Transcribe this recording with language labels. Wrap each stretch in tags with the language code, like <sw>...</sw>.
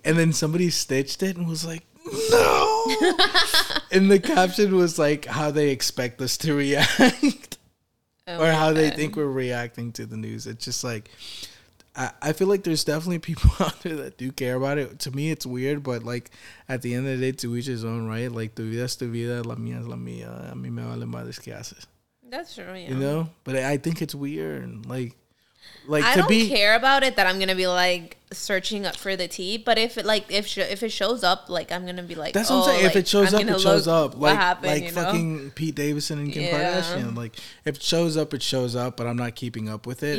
<en>And then somebody stitched it and was like, no. And the caption was like, how they expect us to react. They think we're reacting to the news. It's just like, I feel like there's definitely people out there that do care about it. To me, it's weird, but, like, at the end of the day, to each his own, right?</en> <es>Like, tu vida es tu vida, la mía es la mía. A mí me vale madres que haces.</es> <en>That's true, yeah. You know? But I think it's weird. Like I don't care about it that I'm going to be, like, searching up for the tea. But if it, like, if it shows up, like, I'm going to be like, that's what I'm saying. If it shows up, it shows up. Like fucking Pete Davidson and Kim Kardashian. Like, if it shows up, it shows up. But I'm not keeping up with it.</en>